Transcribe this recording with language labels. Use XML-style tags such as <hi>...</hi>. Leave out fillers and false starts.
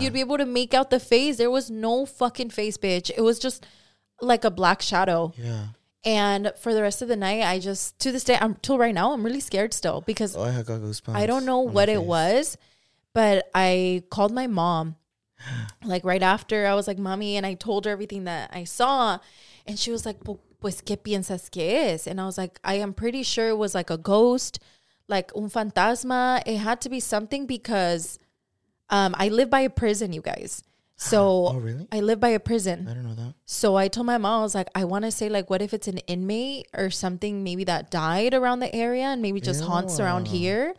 <en>You'd be able to make out the face. There was no fucking face, bitch. It was just like a black shadow. Yeah. And for the rest of the night, I just, to this day, till right now, I'm really scared still because I got goosebumps. I don't know what it was, but I called my mom like right after. I was like, mommy, and I told her everything that I saw. And she was like,</en> <es>pues, ¿qué piensas que es?</es> <en>And I was like, I am pretty sure it was like a ghost, like</en> <es>un fantasma.</es> <en>It had to be something because I live by a prison, you guys. So, oh, really? I live by a prison. I don't know that. So I told my mom, I was like, I want to say, like, what if it's an inmate or something maybe that died around the area and maybe just haunts around here?</en>